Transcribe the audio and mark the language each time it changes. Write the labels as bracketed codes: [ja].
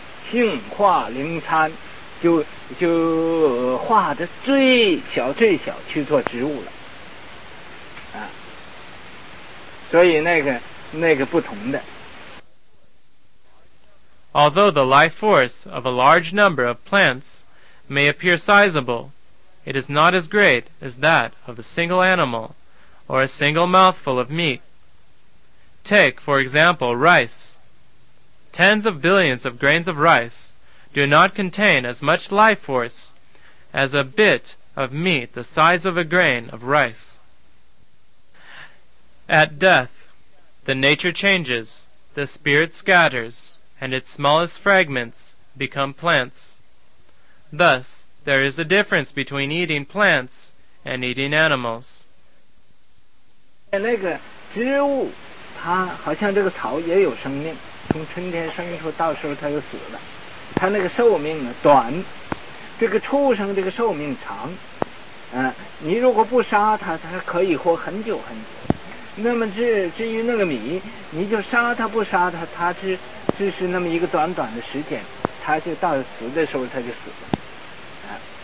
[zh] 性化灵参，就化的最小最小去做植物了，啊，所以那个不同的。 [en] Although the life force of a large number of plants may appear sizable, it is not as great as that of a single animal or a single mouthful of meat. Take, for example, rice. Tens of billions of grains of rice do not contain as much life force as a bit of meat the size of a grain of rice. At death, the nature changes, the spirit scatters, and its smallest fragments become plants. Thus, there is a difference between eating plants and eating animals. [zh] 那个植物，它好像这个草也有生命。从春天生出，到时候它就死了。它那个寿命呢短，这个畜生这个寿命长。你如果不杀它，它可以活很久很久。那么至于那个米，你就杀它不杀它，它只是那么一个短短的时间，它就到死的时候它就死了。